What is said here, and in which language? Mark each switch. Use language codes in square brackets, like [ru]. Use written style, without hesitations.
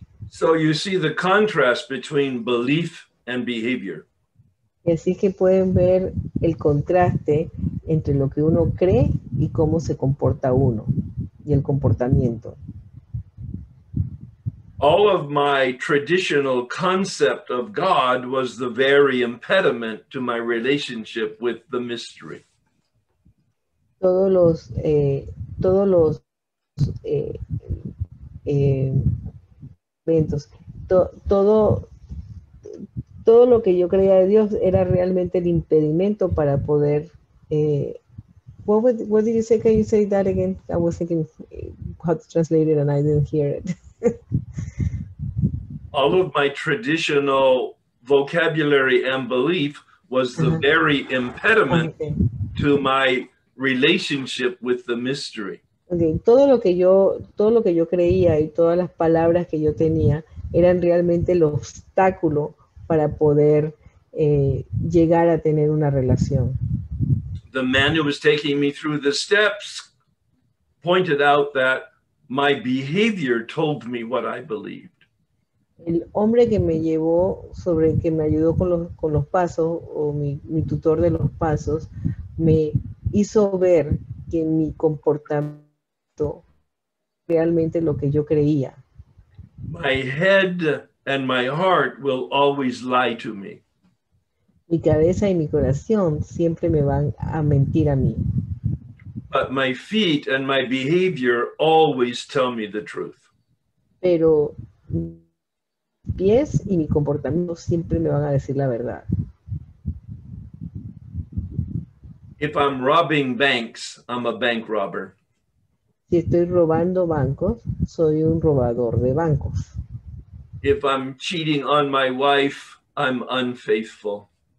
[en] So you see the contrast between belief and behavior. [es] Y así que pueden ver el contraste entre lo que uno cree y cómo se comporta uno y el comportamiento. [en] All of my traditional concept of God was the very impediment to my relationship with the mystery. [es] Todo lo que yo creía de Dios era realmente el impedimento para poder. [en] What did you say? Can you say that again? I was thinking how to translate it and I didn't hear it. All of my traditional vocabulary and belief was the very impediment to my relationship with the mystery. Okay. [es] Todo lo que yo creía y todas las palabras que yo tenía eran realmente el obstáculo para poder llegar a tener una relación. [en] The man who was taking me through the steps pointed out that my behavior told me what I believed. [es] El hombre que me llevó sobre, que me ayudó con los pasos, o mi tutor de los pasos, me hizo ver que mi comportamiento realmente lo que yo creía. [en] My head and my heart will always lie to me. [es] Mi cabeza y mi corazón siempre me van a mentir a mí. [en] But my feet and my behavior always tell me the truth. [es] Pero mis pies y mi comportamiento siempre me van a decir la verdad. [en] If I'm robbing banks, I'm a bank robber. [es] Si estoy robando bancos, soy un robador de bancos. [en] If I'm cheating on my wife, I'm unfaithful.